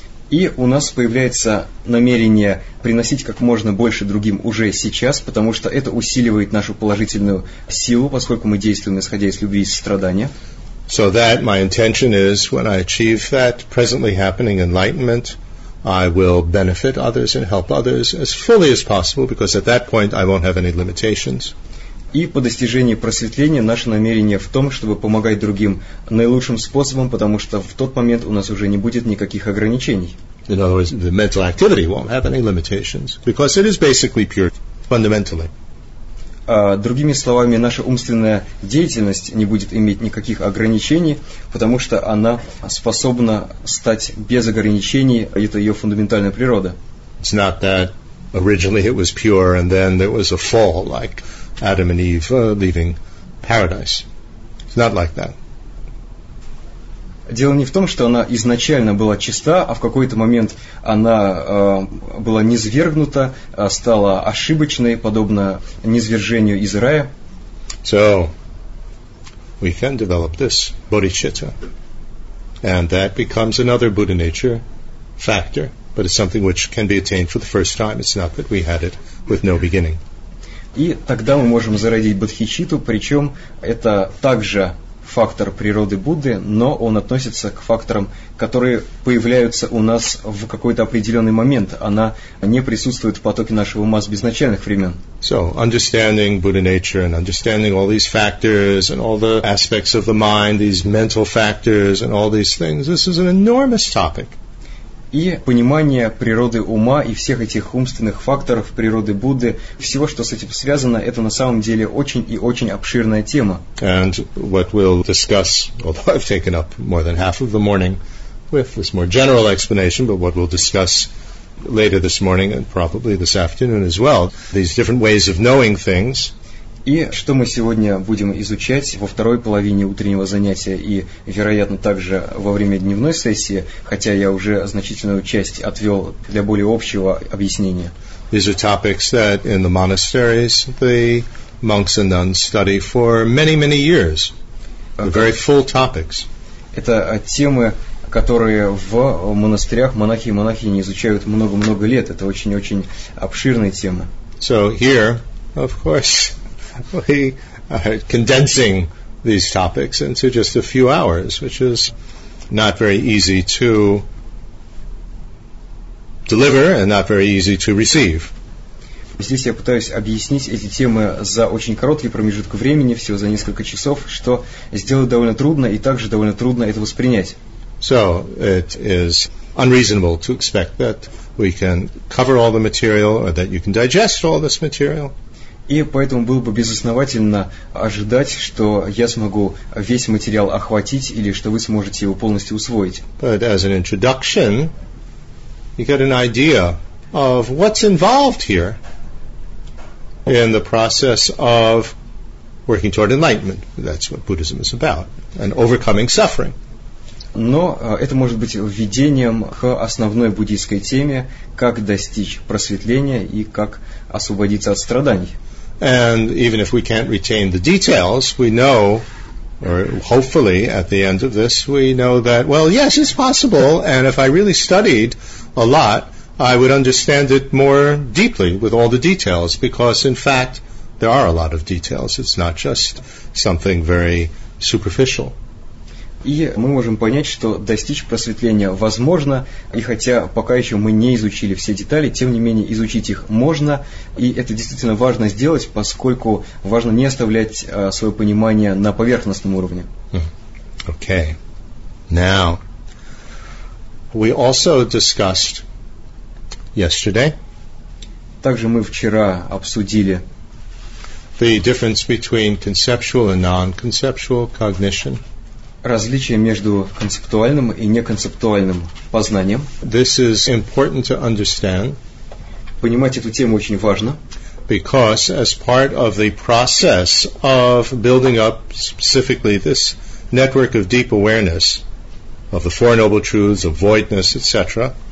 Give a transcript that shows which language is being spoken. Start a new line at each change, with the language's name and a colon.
Russian: И у нас появляется намерение приносить как можно больше другим уже сейчас, потому что это усиливает нашу положительную силу, поскольку мы действуем исходя из любви и сострадания.
English: So that my intention is, when I achieve that presently happening enlightenment, I will benefit others and help others as fully as possible, because at that point I won't have any limitations.
Russian: И по достижении просветления наше намерение в том, чтобы помогать другим наилучшим способом, потому что в тот момент у нас уже не будет никаких ограничений.
English: In other words, the mental activity won't have any limitations, because it is basically pure, fundamentally.
Russian: Другими словами, наша умственная деятельность не будет иметь никаких ограничений, потому что она способна стать без ограничений, это ее фундаментальная природа.
English: It's not that originally it was pure, and then there was a fall, like Adam and Eve leaving paradise. It's not like that.
Russian: Дело не в том, что она изначально была чиста, а в какой-то момент она была низвергнута, стала ошибочной, подобно низвержению из рая.
English: So, we can develop this bodhicitta. And that becomes another Buddha nature factor, but it's something which can be attained for the first time. It's not that we had it with no beginning.
Russian: И тогда мы можем зародить бодхичитту, причем это также фактор природы Будды, но он относится к факторам, которые появляются у нас в какой-то определенный момент. Она не присутствует в потоке нашего ума с безначальных времен.
English: So, understanding Buddha nature and understanding all these factors and all the aspects of the mind, these mental factors and all these things, this is an enormous topic.
Russian: И понимание природы ума и всех этих умственных факторов природы Будды, всего, что с этим связано, это на самом деле очень и очень обширная тема.
English: And what we'll discuss, although I've taken up more than half of the morning with this more general explanation, but what we'll discuss later this morning and probably this afternoon as well, these different ways of knowing things.
Russian: И что мы сегодня будем изучать во второй половине утреннего занятия и, вероятно, также во время дневной сессии, хотя я уже значительную часть отвел для более общего объяснения.
English: These are topics that in the monasteries the monks and nuns study for many, many years. Very full topics.
Russian: Это темы, которые в монастырях монахи и монахини изучают много-много лет. Это очень-очень обширные темы.
English: So here, of course, we are condensing these topics into just a few hours, which is not very easy to deliver and not very easy to receive.
Russian: Здесь я пытаюсь объяснить эти темы за очень короткий промежуток времени, всего за несколько часов, что сделать довольно трудно и также довольно трудно это воспринять.
English: So it is unreasonable to expect that we can cover all the material or that you can digest all this material.
Russian: И поэтому было бы безосновательно ожидать, что я смогу весь материал охватить или что вы сможете его полностью усвоить.
English: But as an introduction, you get an idea of what's involved here in the process of working toward enlightenment. That's what Buddhism is about, and overcoming suffering.
Russian: Но это может быть введением к основной буддийской теме, как достичь просветления и как освободиться от страданий.
English: And even if we can't retain the details, we know, or hopefully at the end of this, we know that, well, yes, it's possible, and if I really studied a lot, I would understand it more deeply with all the details, because in fact there are a lot of details. It's not just something very superficial.
Russian: И мы можем понять, что достичь просветления возможно, и хотя пока еще мы не изучили все детали, тем не менее изучить их можно, и это действительно важно сделать, поскольку важно не оставлять свое понимание на поверхностном уровне.
English: Okay. Now, we also discussed yesterday.
Russian: Также мы вчера обсудили
English: the difference between conceptual and non-conceptual cognition.
Russian: Различие между концептуальным и неконцептуальным познанием.
English: This is important to understand.
Russian: Понимать эту тему очень важно.
English: Because as part of the process of building up specifically this network of deep awareness of the Four Noble Truths, of voidness, etc.